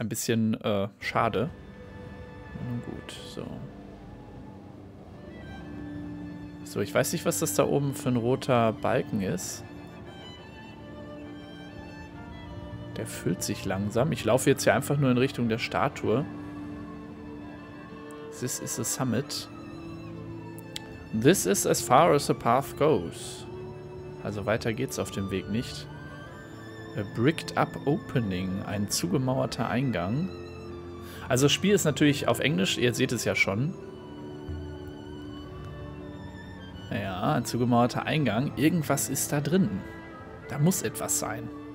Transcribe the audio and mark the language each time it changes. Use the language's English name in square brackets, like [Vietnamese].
[German] Ein bisschen schade. Nun gut, so. So, ich weiß nicht, was das da oben für ein roter Balken ist. Der füllt sich langsam. Ich laufe jetzt hier einfach nur in Richtung der Statue. [English] This is a summit. This is as far as the path goes. [German] Also weiter geht's auf dem Weg nicht. [English] A bricked up opening. [German] Ein zugemauerter Eingang. Also das Spiel ist natürlich auf Englisch. Ihr seht es ja schon. Ja, ein zugemauerter Eingang. Irgendwas ist da drin. Da muss etwas sein.